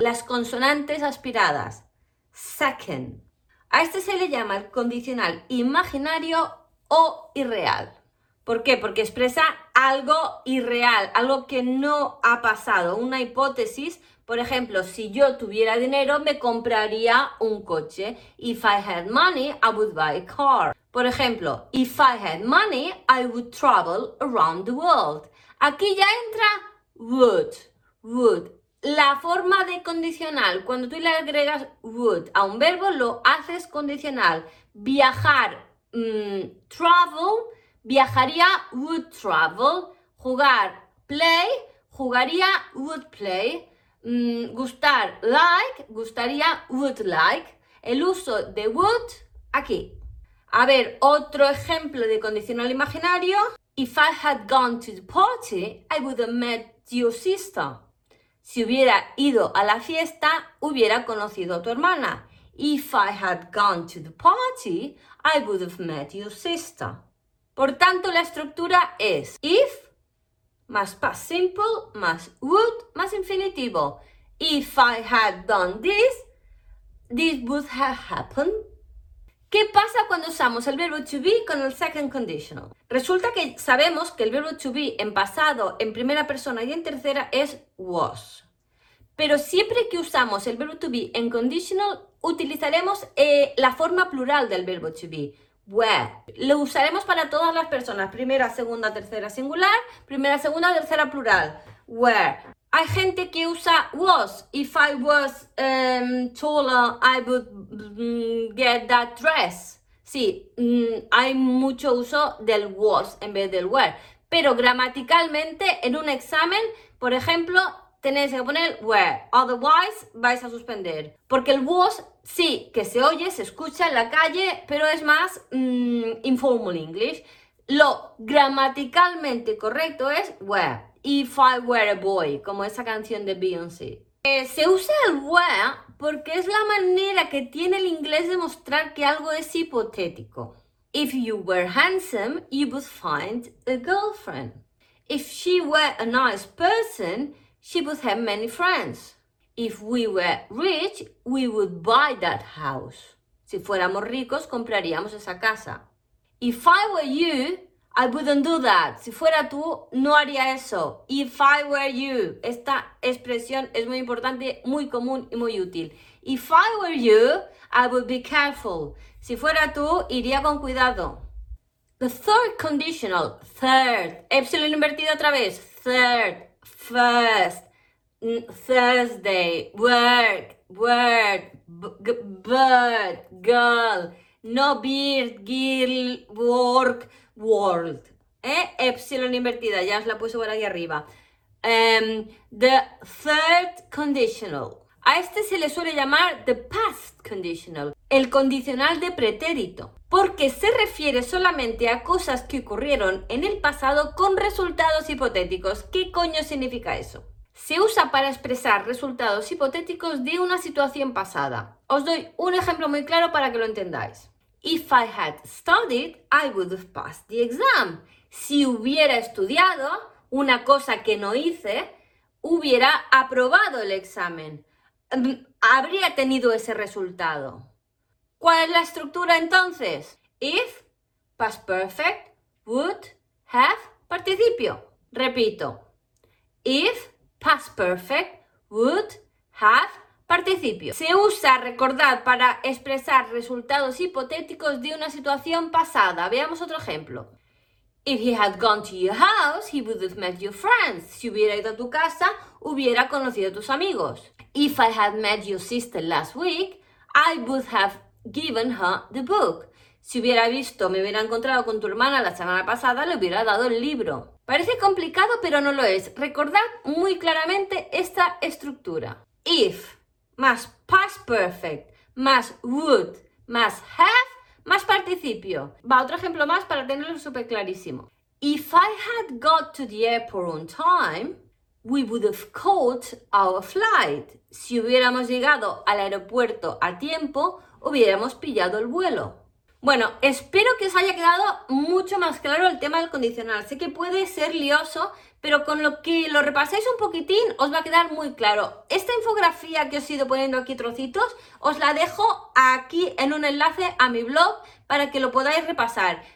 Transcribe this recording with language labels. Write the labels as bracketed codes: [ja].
[es] Las consonantes aspiradas. Second. A este se le llama el condicional imaginario o irreal. ¿Por qué? Porque expresa algo irreal, algo que no ha pasado, una hipótesis. Por ejemplo, si yo tuviera dinero, me compraría un coche. [en] If I had money, I would buy a car. [es] Por ejemplo, [en] if I had money, I would travel around the world. [es] Aquí ya entra [en] would. Would. [es] La forma de condicional, cuando tú le agregas would a un verbo, lo haces condicional. Viajar, travel, viajaría, would travel. Jugar, play, jugaría, would play. Gustar, like, gustaría, would like. El uso de would aquí. A ver, otro ejemplo de condicional imaginario. [en] If I had gone to the party, I would have met your sister. [es] Si hubiera ido a la fiesta, hubiera conocido a tu hermana. [en] If I had gone to the party, I would have met your sister. [es] Por tanto, la estructura es if más past simple más would más infinitivo. [en] If I had done this, this would have happened. [es] ¿Qué pasa cuando usamos el verbo to be con el second conditional? Resulta que sabemos que el verbo to be en pasado, en primera persona y en tercera es was. Pero siempre que usamos el verbo to be en conditional, utilizaremos la forma plural del verbo to be, were. Lo usaremos para todas las personas, primera, segunda, tercera, singular, primera, segunda, tercera, plural, were. Hay gente que usa was. [en] If I was taller, I would get that dress. [es] Sí, hay mucho uso del was en vez del were. Pero gramaticalmente, en un examen, por ejemplo, tenéis que poner were. Otherwise, vais a suspender. Porque el was, sí, que se oye, se escucha en la calle, pero es más informal English. Lo gramaticalmente correcto es were. [en] If I were a boy, [es] como esa canción de Beyoncé. Se usa el were porque es la manera que tiene el inglés de mostrar que algo es hipotético. [en] If you were handsome, you would find a girlfriend. If she were a nice person, she would have many friends. If we were rich, we would buy that house. [es] Si fuéramos ricos, compraríamos esa casa. [en] If I were you, I wouldn't do that. [es] Si fuera tú, no haría eso. [en] If I were you. [es] Esta expresión es muy importante, muy común y muy útil. [en] If I were you, I would be careful. [es] Si fuera tú, iría con cuidado. [en] The third conditional. Third. [es] Epsilon invertido otra vez. [en] Third. First. Thursday. Work. Word. Bird. Girl. No beard. Girl. Work. [es] World, epsilon invertida, ya os la puse por aquí arriba. [en] The third conditional. [es] A este se le suele llamar the past conditional, el condicional de pretérito, porque se refiere solamente a cosas que ocurrieron en el pasado con resultados hipotéticos. ¿Qué coño significa eso? Se usa para expresar resultados hipotéticos de una situación pasada. Os doy un ejemplo muy claro para que lo entendáis. [en] If I had studied, I would have passed the exam. [es] Si hubiera estudiado, una cosa que no hice, hubiera aprobado el examen. Habría tenido ese resultado. ¿Cuál es la estructura entonces? If, past perfect, would, have, participio. Repito. If, past perfect, would, have, participio. Se usa, recordad, para expresar resultados hipotéticos de una situación pasada. Veamos otro ejemplo. [en] If he had gone to your house, he would have met your friends. [es] Si hubiera ido a tu casa, hubiera conocido a tus amigos. [en] If I had met your sister last week, I would have given her the book. [es] Si hubiera visto, me hubiera encontrado con tu hermana la semana pasada, le hubiera dado el libro. Parece complicado, pero no lo es. Recordad muy claramente esta estructura. If más past perfect, más would, más have, más participio. Va, otro ejemplo más para tenerlo súper clarísimo. [en] If I had got to the airport on time, we would have caught our flight. [es] Si hubiéramos llegado al aeropuerto a tiempo, hubiéramos pillado el vuelo. Bueno, espero que os haya quedado mucho más claro el tema del condicional. Sé que puede ser lioso, pero con lo que lo repaséis un poquitín, os va a quedar muy claro. Esta infografía que os he ido poniendo aquí trocitos, os la dejo aquí en un enlace a mi blog para que lo podáis repasar.